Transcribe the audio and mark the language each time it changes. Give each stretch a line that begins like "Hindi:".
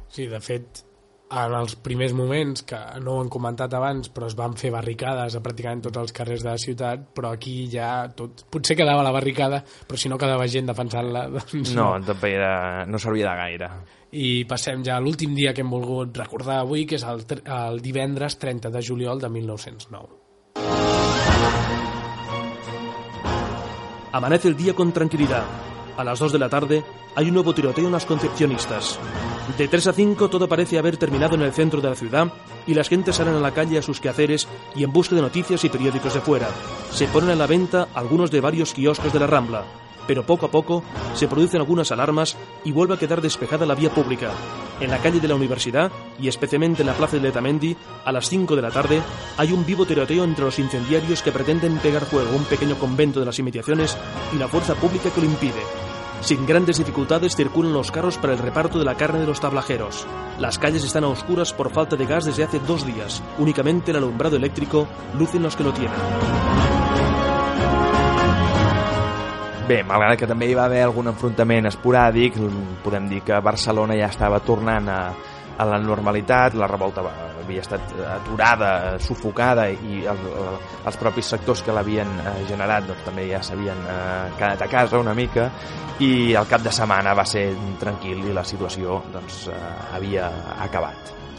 Catalan: Sí, de fet, en els primers moments, que no ho han comentat abans, però es van fer barricades a pràcticament tots els carrers de la ciutat, però aquí ja tot... Potser quedava la barricada, però si no quedava gent defensant-la, doncs... No, també no servia de gaire. I passem ja a l'últim dia que hem volgut recordar avui, que és el divendres 30 de juliol de 1909.
Spanish: Amanece el día con tranquilidad. A las 2 de la tarde hay un nuevo tiroteo en las Concepcionistas. De 3 a 5 todo parece haber terminado en el centro de la ciudad y las gentes salen a la calle a sus quehaceres y en busca de noticias y periódicos de fuera. Se ponen a la venta algunos de varios kioscos de la Rambla. Pero poco a poco se producen algunas alarmas y vuelve a quedar despejada la vía pública. En la calle de la Universidad, y especialmente en la plaza de Letamendi, a las 5 de la tarde, hay un vivo tiroteo entre los incendiarios que pretenden pegar fuego a un pequeño convento de las inmediaciones y la fuerza pública que lo impide. Sin grandes dificultades circulan los carros para el reparto de la carne de los tablajeros. Las calles están a oscuras por falta de gas desde hace 2 días. Únicamente el alumbrado eléctrico luce en los que lo tienen.
Catalan: Bé, malgrat que també hi va haver algun enfrontament esporàdic, podem dir que Barcelona ja estava tornant a la normalitat, la revolta havia estat aturada, sufocada, i els propis sectors que l'havien generat, doncs, també ja s'havien quedat a casa una mica, i el cap de setmana va ser tranquil i la situació, doncs, havia acabat.